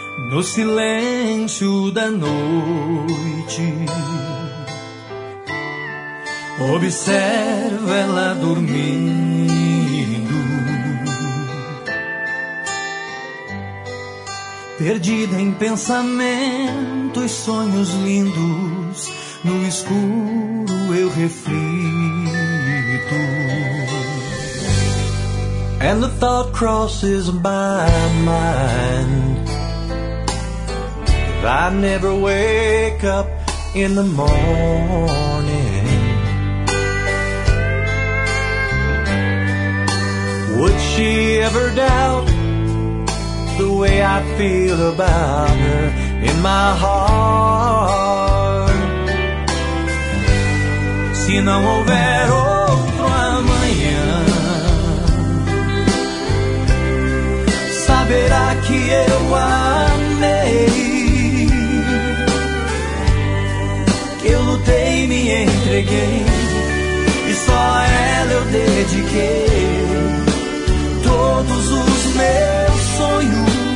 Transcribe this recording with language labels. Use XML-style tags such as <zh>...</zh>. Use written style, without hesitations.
<pt>No silêncio da noite, observo ela dormindo, perdida em pensamentos, sonhos lindos. No escuro eu reflito,</pt> <en>and the thought crosses my mind, if I never wake up in the morning, would she ever doubt the way I feel about her in my heart?</en> <pt>Se não houver outro amanhã, saberá que eu amei, lutei, me entreguei, e só a ela eu dediquei todos os meus sonhos.</pt>